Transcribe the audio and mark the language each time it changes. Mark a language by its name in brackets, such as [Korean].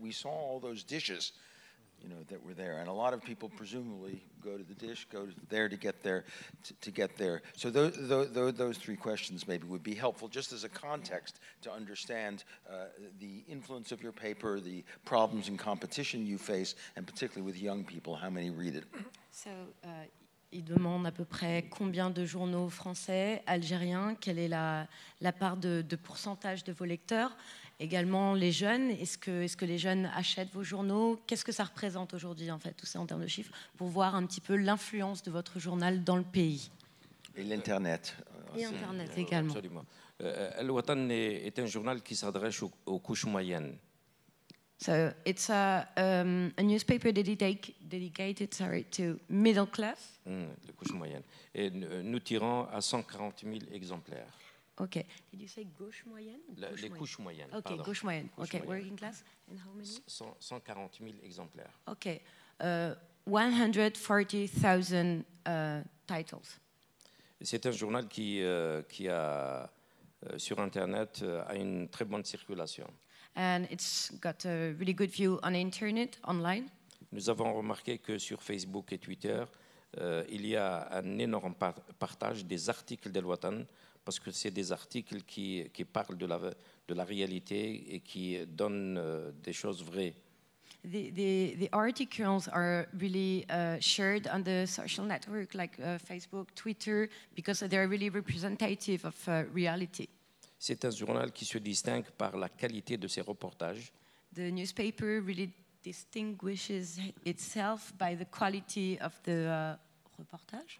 [English] We saw all those dishes, you know, that were there. And a lot of people presumably go to the dish, go there to get there, to get there. So those three questions maybe would be helpful just as a context to understand the influence of your paper, the problems and competition you face, and particularly with young people, how many read it. [French] So il demande à peu près combien de journaux français, algériens, quelle est la part de pourcentage de vos lecteurs. Également les jeunes, est-ce que les jeunes achètent vos journaux? Qu'est-ce que ça représente aujourd'hui en fait, tout ça en termes de chiffres, pour voir un petit peu l'influence de votre journal dans le pays. Et l'Internet. Et Internet également. Absolument. El Watan est un journal qui s'adresse aux couches moyennes. [English] So it's a newspaper dedicated to middle class. [French] Les couches moyennes. Et nous tirons à 140 000 exemplaires. [English] OK. Did you say [French] gauche moyenne? Les couches moyennes. OK, pardon. Gauche moyenne. [English] OK, [French] moyenne. [English] Working class. And how many? [French] 140 000 exemplaires. [English] OK. 140,000 titles. [French] C'est un journal qui a sur Internet a une très bonne circulation. [English] And it's got a really good view on the internet, online. [French] Nous avons remarqué que sur Facebook et Twitter, il y a un énorme partage des articles d'El Watan, parce que c'est des articles qui parlent de la réalité et qui donnent des choses vraies. [English] The articles are really shared on the social network, like Facebook, Twitter, because they're really representative of reality. [French] C'est un journal qui se distingue par la qualité de ses reportages. [English] The newspaper really distinguishes itself by the quality of the reportage.